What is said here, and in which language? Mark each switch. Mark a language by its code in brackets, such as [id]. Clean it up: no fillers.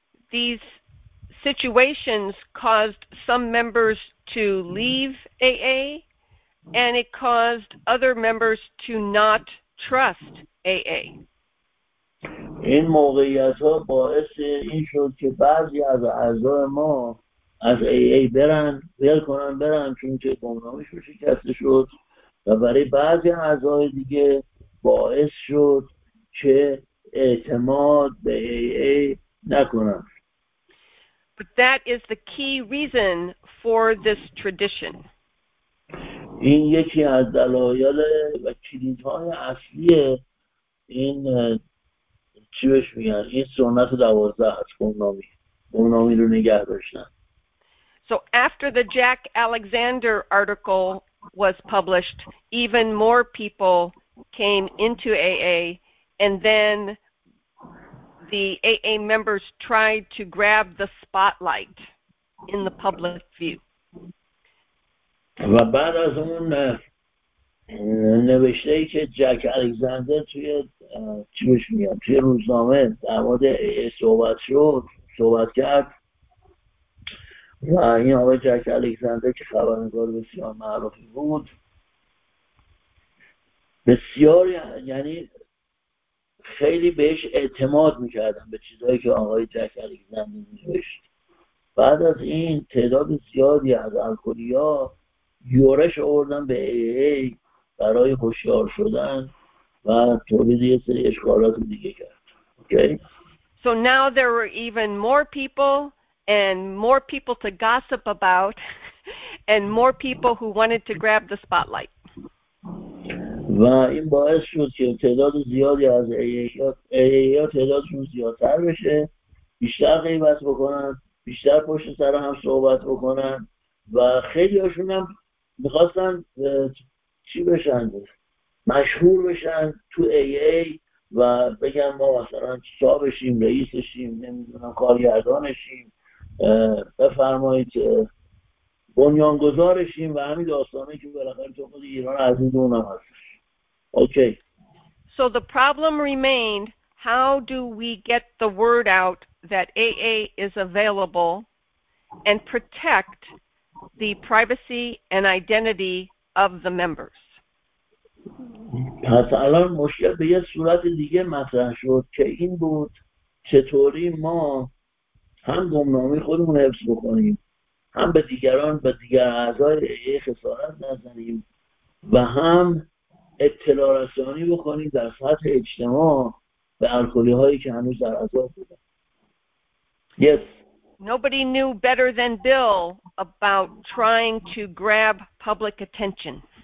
[en] These situations caused some members to leave AA and it caused other members to not trust AA. [fa] این موقعیت ها باعث این شد که بعضی از اعضای ما از AA برن، ویل کنن برن، چون که گمنامیش رو شکسته شد و برای بعضی اعضای دیگه باعث شد که اعتماد به AA نکنن. [en] But that is the key reason for this tradition. [fa] این یکی از دلایل و کلیدهای اصلی این چی بهش میگن؟ این سنت دوازده هست، گمنامی رو نگه داشتن. [en] So after the Jack Alexander article was published, even more people came into AA, and then the AA members tried to grab the spotlight in the public view. [fa] و بعد از اون نوشته ای که جک الکساندر توی روزنامه در مورد AA صحبت کرد و این آقای جک الکساندر که خبرنگار بسیار معروفی بود، بسیار یعنی خیلی بهش اعتماد میکردن به چیزهایی که آقای جک الکساندر میوشت. بعد از این تعداد زیادی از الکولی ها یورش آوردن به AA برای هوشیار شدن و تولید یه سری اشکالات دیگه کرد. [en] Okay. So now there were even more people and more people to gossip about and more people who wanted to grab the spotlight. [fa] و این باعث شد که تعداد زیادی از AA تعدادشون زیادتر بشه، بیشتر غیبت بکنن، بیشتر پشت سر هم صحبت بکنن و خیلی هاشون هم میخواستن چی بشن، مشهور بشن تو AA و بگن ما مثلا صاحبشیم، رئیسشیم، نمیدونم کارگردانشیم، بفرمایید بنیانگذارشیم و همین داستانه که بالاخره تو خود ایران عزیز اونم هستش. [en] Okay. So the problem remained, how do we get the word out that AA is available and protect the privacy and identity of the members. [fa] پس الان مشکل به یه صورت دیگه مطرح شد که این بود چطوری ما هم گمنامی خودمون حفظ بکنیم، هم به دیگران به دیگر اعضای AA خسارت نزنیم و هم اطلاع رسانی بکنیم در سطح اجتماع به الکلی هایی که هنوز در اعضای بودن. [en] Yes. Nobody knew better than Bill about trying to grab public attention.